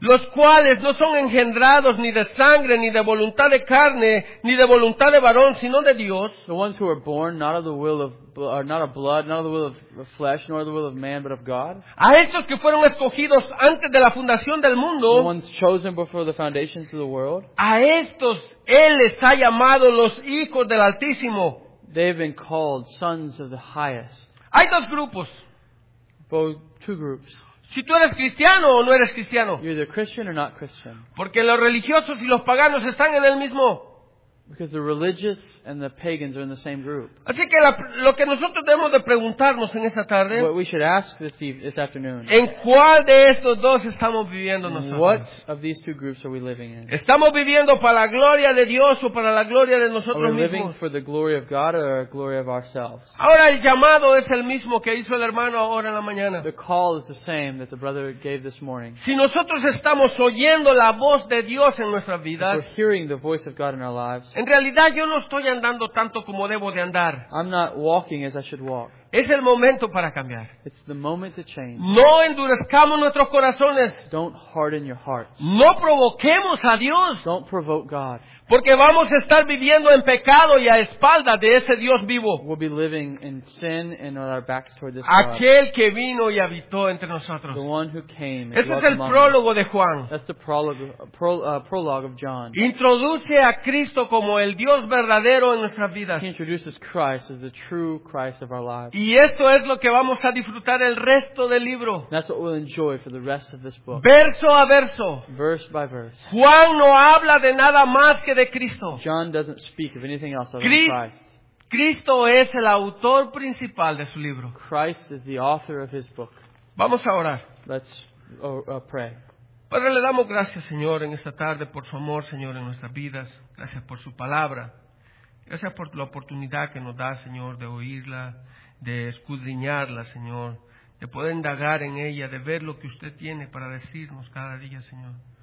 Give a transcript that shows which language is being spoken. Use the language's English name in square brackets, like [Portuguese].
[Spanish] Los cuales no son engendrados ni de sangre, ni de voluntad de carne, ni de voluntad de varón, sino de Dios. [English] The ones who are born not of the will of are not of blood, not of the will of flesh, nor of the will of man, but of God. [Spanish] A estos que fueron escogidos antes de la fundación del mundo. [English] The ones chosen before the foundations of the world. [Spanish] A estos él les ha llamado los hijos del Altísimo. [English] They've been called sons of the highest. [Spanish] Hay dos grupos. [English] Both two groups. [Spanish] Si tú eres cristiano o no eres cristiano. [English] You're either Christian or not Christian. [Spanish] Porque los religiosos y los paganos están en el mismo. [English] Because the religious and the pagans are in the same group. [Spanish] Así que lo que nosotros debemos de preguntarnos en esta tarde. [English] What we should ask this afternoon. [Spanish] ¿En cuál de estos dos estamos viviendo nosotros? [English] What of these two groups are we living in? [Spanish] ¿Estamos viviendo para la gloria de Dios o para la gloria de nosotros mismos? [English] Are we living for the glory of God or the glory of ourselves? [Spanish] Ahora el llamado es el mismo que hizo el hermano ahora en la mañana. [English] The call is the same that the brother gave this morning. [Spanish] Si nosotros estamos oyendo la voz de Dios en nuestras vidas. [English] If we're hearing the voice of God in our lives. [Spanish] En realidad yo no estoy andando tanto como debo de andar. [English] I'm not walking as I should walk. [Spanish] Es el momento para cambiar. [English] It's the moment to change. [Spanish] No endurezcamos nuestros corazones. [English] Don't harden your hearts. [Spanish] No provoquemos a Dios. [English] Don't provoke God. [Spanish] Porque vamos a estar viviendo en pecado y a espaldas de ese Dios vivo. [English] We'll be living in sin and with our backs toward this God. [Spanish] Aquel que vino y habitó entre nosotros. [English] The one who came. [Spanish] Ese es el prólogo de Juan. [English] That's the prologue of John. [Spanish] Introduce a Cristo como el Dios verdadero en nuestras vidas. [English] He introduces Christ as the true Christ of our lives. [Spanish] Y esto es lo que vamos a disfrutar el resto del libro. [English] That's what we'll enjoy for the rest of this book. [Spanish] Verso a verso. [English] Verse by verse. [Spanish] Juan no habla de nada más que de Cristo. [English] John doesn't speak of anything else other than Christ. [Spanish] Cristo es el autor principal de su libro. [English] Christ is the author of his book. [Spanish] Vamos a orar. [English] Let's pray. [Spanish] Padre, le damos gracias, Señor, en esta tarde por su amor, Señor, en nuestras vidas. Gracias por su palabra. Gracias por la oportunidad que nos da, Señor, de oírla, de escudriñarla, Señor, de poder indagar en ella, de ver lo que usted tiene para decirnos cada día, Señor.